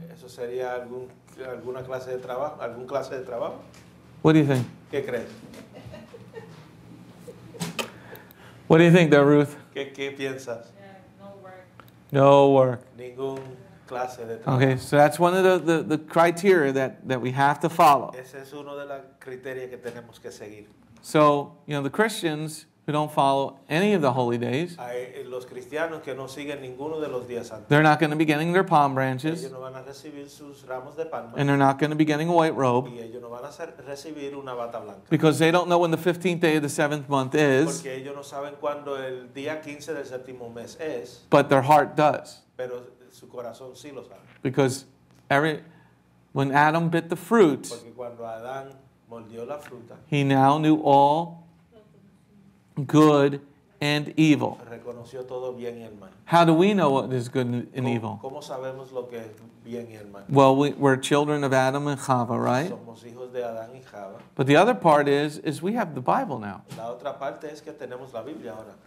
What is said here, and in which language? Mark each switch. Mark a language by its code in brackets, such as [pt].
[es] Eso sería algún... ¿Alguna clase de trabajo? ¿Algún clase de trabajo? [en] What do you think? [es] ¿Qué crees? [en] What do you think there, Ruth? [es] ¿Qué piensas? [en] Yeah, no work. No work. [es] Ningún clase de trabajo. [en] Okay, so that's one of the criteria that we have to follow. [es] Ese es uno de los criterios que tenemos que seguir. [en] So, you know, the Christians who don't follow any of the holy days, [es] los cristianos que no siguen ninguno de los días santos, [en] they're not going to be getting their palm branches, [es] ellos no van a recibir sus ramos de palma, [en] and they're not going to be getting a white robe, [es] y ellos no van a recibir una bata blanca, [en] because they don't know when the 15th day of the 7th month is, [es] porque ellos no saben cuándo el día 15 del séptimo mes es, [en] but their heart does. [es] Pero su corazón sí lo sabe. [en] Because when Adam bit the fruit, [es] porque cuando Adán mordió la fruta, [en] he now knew all good and evil. [es] Reconoció todo bien y el mal. [en] How do we know what is good and evil? [es] ¿Cómo sabemos lo que es bien y el mal? [en] Well, we're children of Adam and Chava, right? [es] Somos hijos de Adán y Chava. [en] But the other part is we have the Bible now. [es] La otra parte es que tenemos la Biblia ahora.